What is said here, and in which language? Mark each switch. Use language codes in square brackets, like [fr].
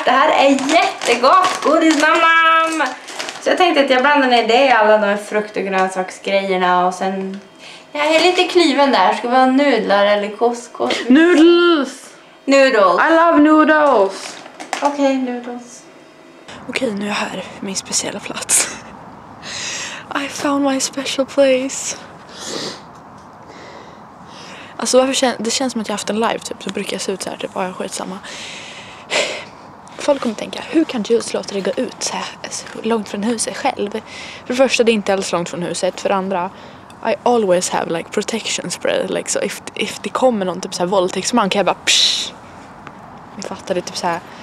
[sv] Det här är jättegott. Godis namnam. Så jag tänkte att jag blandar ner det i alla de här frukt- och grönsaksgrejerna och sen... Jag är lite kliven där. Ska vi ha nudlar eller couscous? [en] Noodles! Noodles. I love noodles. [sv] Okej, noodles. Okej, nu är jag här för min speciella plats. [en] I found my special place. [sv] Alltså varför det känns som att jag haft en live typ. Så brukar jag se ut så här typ. Ja, skitsamma. Folk kommer tänka, hur kan Jules låta dig gå ut så här långt från huset själv? För det första, det är inte alls långt från huset. För det andra... [en] I always have like protection spray, like, so if [sv] det kommer någon typ så här våldtäktsman kan jag bara psh. Ni fattar det typ så här.